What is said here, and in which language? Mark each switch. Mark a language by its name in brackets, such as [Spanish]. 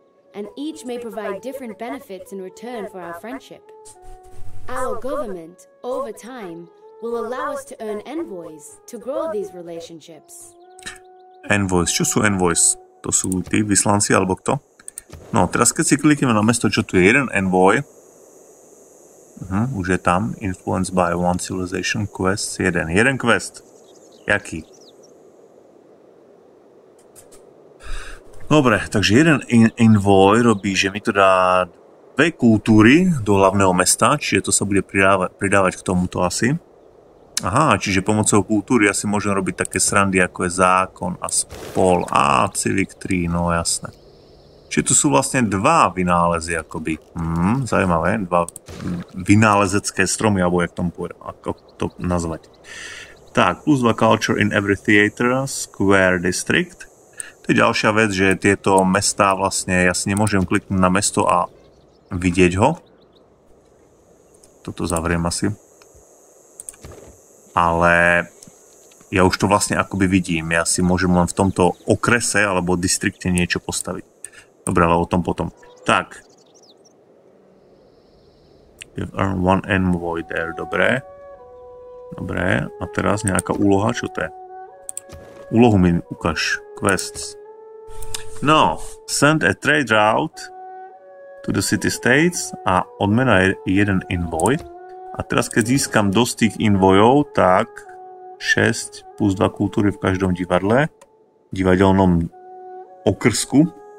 [English] And each may provide different benefits in return for our friendship. Our government, over time, will allow us to earn envoys to grow these relationships. [Slovak] Envoys, čo sú envoys? To sú tí vyslanci alebo kto? No, teraz keď si klikneme na mesto, čo tu je jeden envoy. Už je tam. [English] Influenced by one civilization quest. [Slovak] Jeden quest. Jaký? Dobre, takže jeden envoy robí, že mi to dá dve kultúry do hlavného mesta, čiže to sa bude pridávať k tomuto asi. Aha, čiže pomocou kultúry asi môžem robiť také srandy, ako je zákon a spol. A civic 3, no jasné. Čiže tu sú vlastne dva vynálezy, akoby. Zaujímavé, dva vynálezecké stromy, alebo jak tomu povedem, ako to nazvať. Tak, plus dva [English] culture in every theater, square district. [Slovak] To je ďalšia vec, že tieto mestá vlastne, ja si nemôžem kliknúť na mesto a vidieť ho. Toto zavriem asi. Ale ja už to vlastne akoby vidím. Ja si môžem len v tomto okrese alebo distrikte niečo postaviť. Dobre, ale o tom potom. Tak. [English] You've earned one envoy there, dobre. [Slovak] Dobre, a teraz nejaká úloha, čo to je? Úlohu mi ukáž, quests. No, [English] send a trade route to the city states [Slovak] a odmena je jeden [English] envoy. [Slovak] A teraz keď získam dosť tých envojov, tak 6 plus 2 kultúry v každom divadle, divadelnom okrsku.